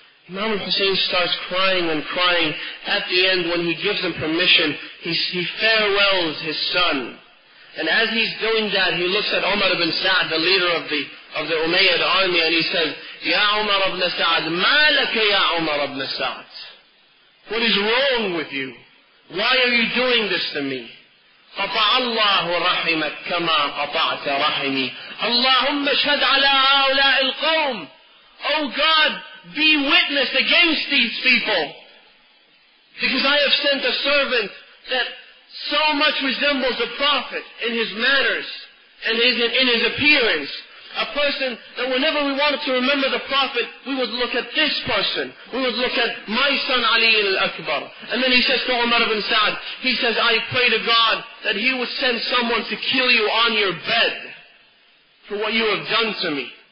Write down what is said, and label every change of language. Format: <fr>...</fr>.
<en>Imam Hussein starts crying and crying. At the end, when he gives him permission, he farewells his son. And as he's doing that, he looks at Umar ibn Sa'd, the leader of the Umayyad army, and he says, Ya Umar ibn Sa'd,</en> <ar>ma laka ya Umar ibn Sa'd?</ar> <en>What is wrong with you? Why are you doing this to me?</en> <ar>قَطَعَ اللَّهُ رَحِمَكْ كَمَا قَطَعْتَ رَحِمِي اللَّهُمَّ شَدْ عَلَىٰ هَوْلَاءِ الْقَوْمِ</ar> <en>Oh God, be witness against these people. Because I have sent a servant that so much resembles a prophet in his manners and in his appearance. A person that whenever we wanted to remember the prophet, we would look at this person. We would look at my son Ali al-Akbar. And then he says to Umar ibn Sa'd, he says, I pray to God that he would send someone to kill you on your bed for what you have done to me.</en>